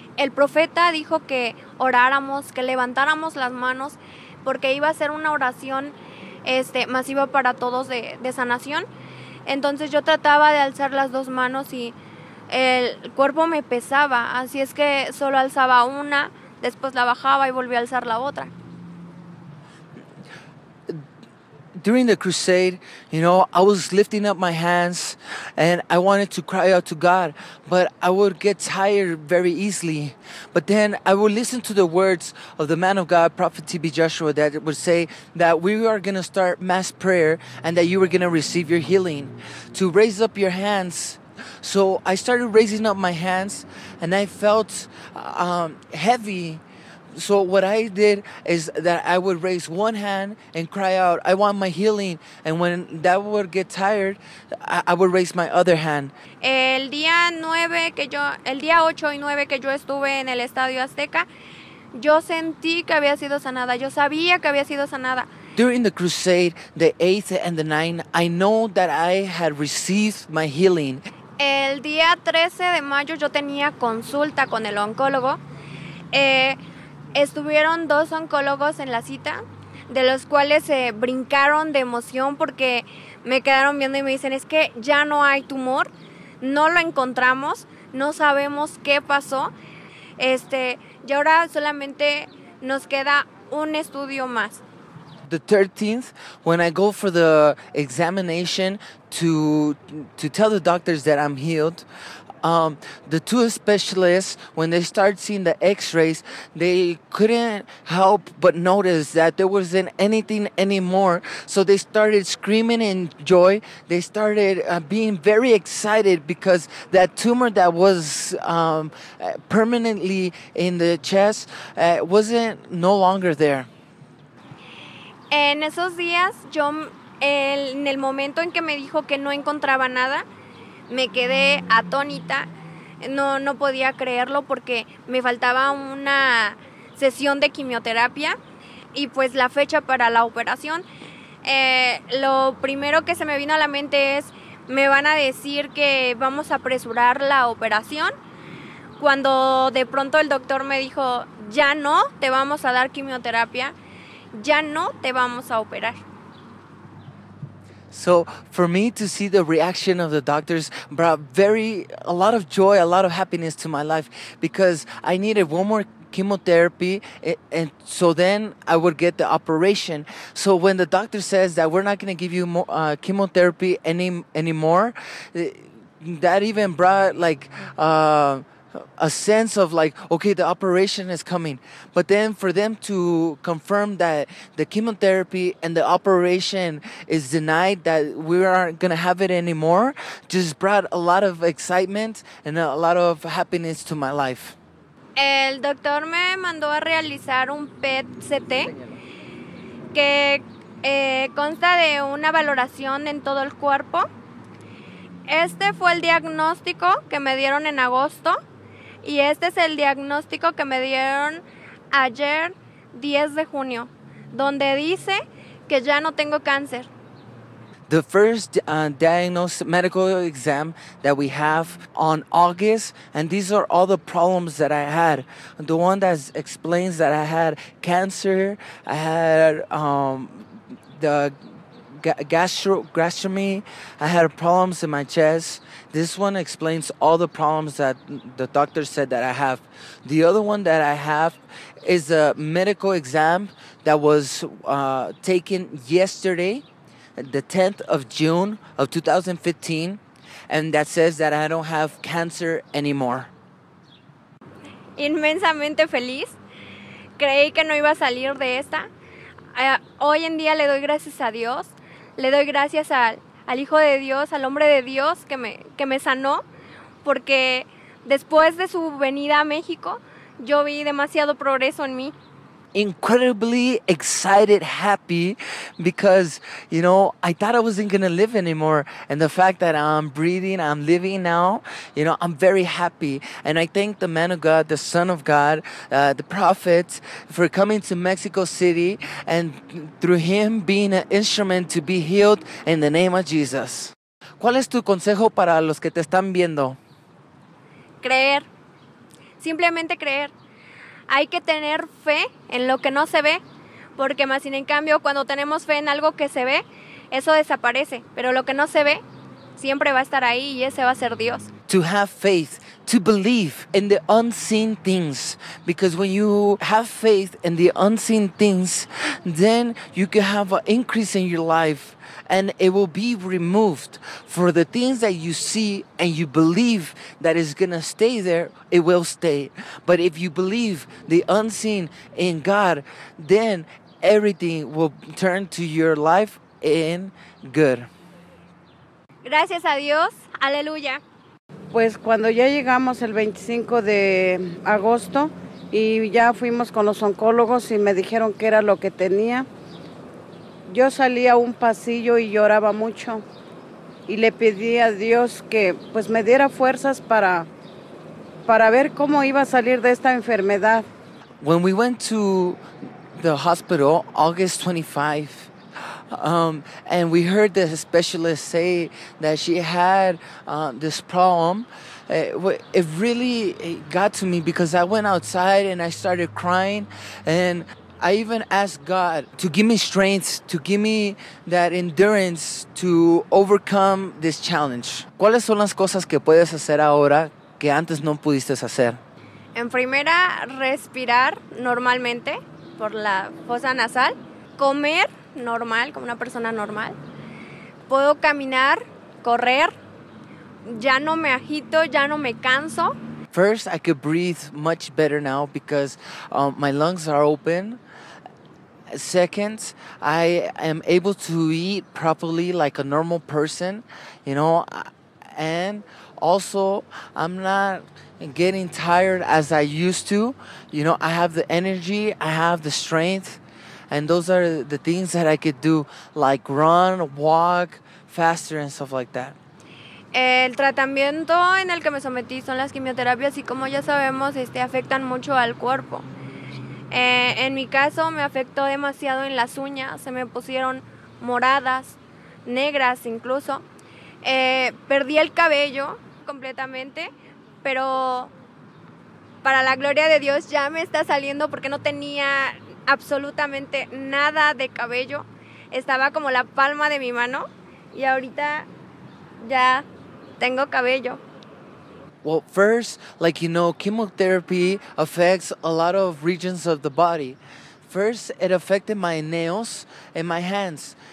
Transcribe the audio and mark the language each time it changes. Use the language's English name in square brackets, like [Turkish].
[Spanish] El profeta dijo que oráramos, que levantáramos las manos, porque iba a ser una oración masiva para todos de sanación. Entonces yo trataba de alzar las dos manos y el cuerpo me pesaba, así es que solo alzaba una, después la bajaba y volví a alzar la otra. [English] During the crusade, you know, I was lifting up my hands and I wanted to cry out to God, but I would get tired very easily. But then I would listen to the words of the man of God, Prophet T.B. Joshua, that would say that we are going to start mass prayer and that you are going to receive your healing, to raise up your hands. So I started raising up my hands and I felt heavy. So what I did is that I would raise one hand and cry out, I want my healing. And when that would get tired, I would raise my other hand. [Spanish] El día 8 y 9 que yo estuve en el Estadio Azteca, yo sentí que había sido sanada. Yo sabía que había sido sanada. [English] During the crusade, the 8th and the 9th, I know that I had received my healing. [Spanish] El día 13 de mayo, yo tenía consulta con el oncólogo. Estuvieron dos oncólogos en la cita, de los cuales se brincaron de emoción porque me quedaron viendo y me dicen, es que ya no hay tumor, no lo encontramos, no sabemos qué pasó. Y ahora solamente nos queda un estudio más. [English] The 13th, when I go for the examination to tell the doctors that I'm healed, the two specialists, when they start seeing the x-rays, they couldn't help but notice that there wasn't anything anymore. So they started screaming in joy. They started being very excited because that tumor that was permanently in the chest wasn't no longer there. [Spanish] En esos días, en el momento en que me dijo que no encontraba nada, me quedé atónita, no podía creerlo porque me faltaba una sesión de quimioterapia y pues la fecha para la operación. Lo primero que se me vino a la mente es, me van a decir que vamos a apresurar la operación, cuando de pronto el doctor me dijo, ya no te vamos a dar quimioterapia, ya no te vamos a operar. [English] So for me to see the reaction of the doctors brought a lot of joy, a lot of happiness to my life, because I needed one more chemotherapy, and so then I would get the operation. So when the doctor says that we're not going to give you more, chemotherapy anymore, that even brought like a sense of like, okay, the operation is coming. But then for them to confirm that the chemotherapy and the operation is denied, that we aren't going to have it anymore, just brought a lot of excitement and a lot of happiness to my life. [Spanish] El doctor me mandó a realizar un PET-CT que consta de una valoración en todo el cuerpo. Este fue el diagnóstico que me dieron en agosto y este es el diagnóstico que me dieron ayer 10 de junio, donde dice que ya no tengo cáncer. [English] The first diagnosis medical exam that we have on August, and these are all the problems that I had. The one that explains that I had cancer, I had the gastrectomy, I had problems in my chest. This one explains all the problems that the doctor said that I have. The other one that I have is a medical exam that was taken yesterday, the 10th of June of 2015, and that says that I don't have cancer anymore. [Spanish] Inmensamente feliz. Creí que no iba a salir de esta. Hoy en día le doy gracias a Dios. Le doy gracias al Hijo de Dios, al Hombre de Dios que me sanó, porque después de su venida a México, yo vi demasiado progreso en mí. [English] Incredibly excited, happy, because you know I thought I wasn't gonna live anymore, and the fact that I'm breathing, I'm living now, you know, I'm very happy, and I thank the man of God, the son of God, the prophet, for coming to Mexico City and through him being an instrument to be healed in the name of Jesus. [Spanish] ¿Cuál es tu consejo para los que te están viendo? Creer, simplemente creer. Hay que tener fe en lo que no se ve, porque más sin en cambio, cuando tenemos fe en algo que se ve, eso desaparece. Pero lo que no se ve, siempre va a estar ahí y ese va a ser Dios. [English] To have faith, to believe in the unseen things, because when you have faith in the unseen things, then you can have an increase in your life and it will be removed. For the things that you see and you believe that is going to stay there, it will stay. But if you believe the unseen in God, then everything will turn to your life in good. [Spanish] Gracias a Dios. Aleluya. Pues cuando ya llegamos el 25 de agosto y ya fuimos con los oncólogos y me dijeron qué era lo que tenía, yo salí a un pasillo y lloraba mucho y le pedí a Dios que pues me diera fuerzas para ver cómo iba a salir de esta enfermedad. [English] When we went to the hospital August 25, and we heard the specialist say that she had this problem. It really got to me because I went outside and I started crying. And I even asked God to give me strength, to give me that endurance to overcome this challenge. [Spanish] ¿Cuáles son las cosas que puedes hacer ahora que antes no pudiste hacer? En primera, respirar normalmente por la fosa nasal. Comer normal, como una persona normal. Puedo caminar, correr. Ya no me agito, ya no me canso. [English] First, I could breathe much better now because my lungs are open. Second, I am able to eat properly like a normal person, you know. And also, I'm not getting tired as I used to. You know, I have the energy, I have the strength. And those are the things that I could do, like run, walk faster and stuff like that. [Spanish] El tratamiento en el que me sometí son las quimioterapias y como ya sabemos, afectan mucho al cuerpo. En mi caso, me afectó demasiado en las uñas, se me pusieron moradas, negras incluso. Perdí el cabello completamente, pero para la gloria de Dios ya me está saliendo porque no tenía absolutamente nada de cabello, estaba como la palma de mi mano y ahorita ya tengo cabello. [English] Well, first, like you know, chemotherapy affects a lot of regions of the body. First, it affected my nails and my hands.